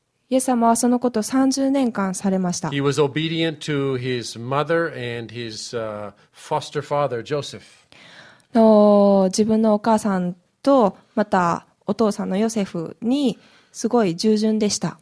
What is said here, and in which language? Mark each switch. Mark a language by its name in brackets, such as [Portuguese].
[Japanese] イエス様はそのことを30年間されました。 [English] He was obedient to his mother and his foster father, Joseph. [Japanese] 自分のお母さんとまたお父さんのヨセフにすごい従順でした。